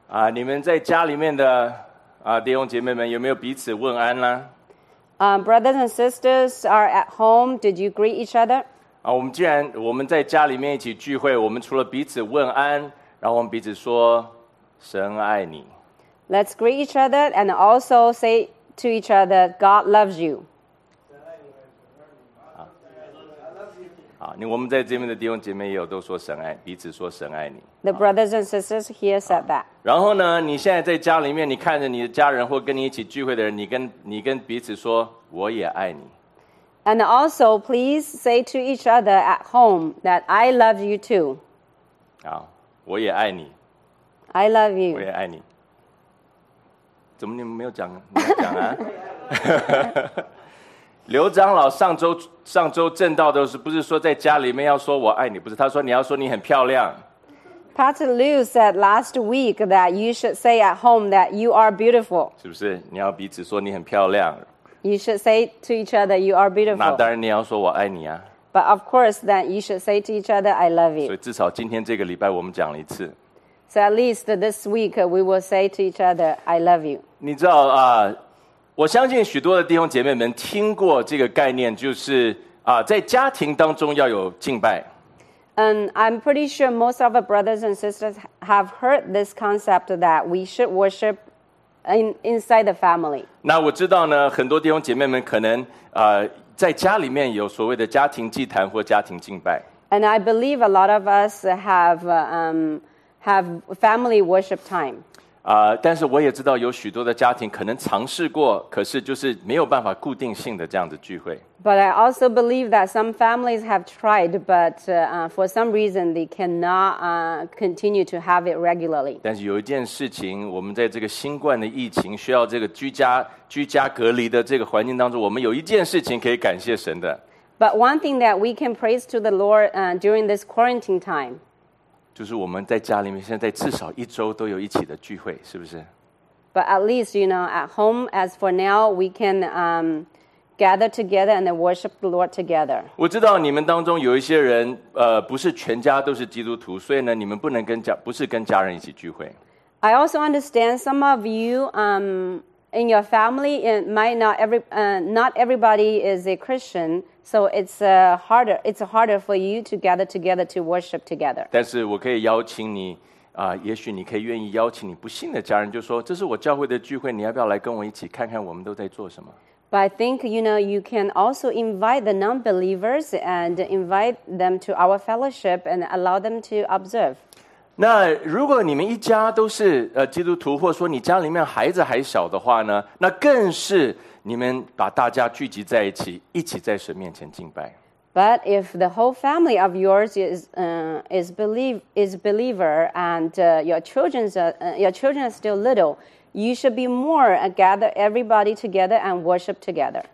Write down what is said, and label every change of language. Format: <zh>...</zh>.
<zh>你们在家里面的弟兄姐妹们有没有彼此问安呢？</zh> <en>Brothers and sisters are at home. Did you greet each other?</en> <zh>我们在家里面一起聚会，我们除了彼此问安，然后我们彼此说神爱你。</zh> <en>Let's greet each other and also say to each other, God loves you.</en> <zh>我们在这边的弟兄姐妹也有都说神爱，彼此说神爱你。</zh> <en>The brothers and sisters here said that.</en> <zh>然后呢，你现在在家里面，你看着你的家人或跟你一起聚会的人，你跟彼此说，我也爱你。</zh> <en>And also, please say to each other at home that I love you too.</en> <zh>好，我也爱你。</zh> <en>I love you.</en> <zh>我也爱你。怎么你们没有讲啊？刘长老上周证道的时候，不是说在家里面要说我爱你，不是，他说你要说你很漂亮。</zh> <en>Pastor Liu said last week that you should say at home that you are beautiful.</en> <zh>是不是？你要彼此说你很漂亮。</zh> <en>You should say to each other you are beautiful.</en> <zh>那当然你要说我爱你啊。</zh> <en>But of course, then you should say to each other I love you.</en> <zh>所以至少今天这个礼拜我们讲了一次。</zh> <en>So at least this week we will say to each other I love you.</en> <zh>你知道啊？我相信许多的弟兄姐妹们听过这个概念，就是在家庭当中要有敬拜。</zh> <en>I'm pretty sure most of our brothers and sisters have heard this concept that we should worship inside the family.</en> <zh>那我知道呢，很多弟兄姐妹们可能在家里面有所谓的家庭祭坛或家庭敬拜。</zh> <en>And I believe a lot of us have family worship time.</en> <zh>但是我也知道有许多的家庭可能尝试过，可是就是没有办法固定性的这样子聚会。</zh> <en>But I also believe that some families have tried, but for some reason they cannot continue to have it regularly.</en> <zh>但是有一件事情，我们在这个新冠的疫情需要这个居家隔离的这个环境当中，我们有一件事情可以感谢神的。</zh> <en>But one thing that we can praise to the Lord during this quarantine time.</en> <zh>就是我们在家里面现在至少一周都有一起的聚会，是不是？</zh> <en>But at least, you know, at home, as for now, we can gather together and worship the Lord together.</en> <zh>我知道你们当中有一些人不是全家都是基督徒，所以呢你们不是跟家人一起聚会。</zh> <en>I also understand some of you in your family, it might not everybody is a Christian, so it's harder for you to gather together to worship together.</en> <zh>但是我可以邀请你也许你可以愿意邀请你不信的家人，就说这是我教会的聚会，你要不要来跟我一起看看我们都在做什么？</zh> <en>But I think, you know, you can also invite the non-believers and invite them to our fellowship and allow them to observe.</en> <zh>那如果你们一家都是基督徒，或者说你家里面孩子还小的话呢，那更是你们把大家聚集在一起，一起在神面前敬拜。</zh> <en>But if the whole family of yours is believer and your children are still little, you should be more gather everybody together and worship together.</en>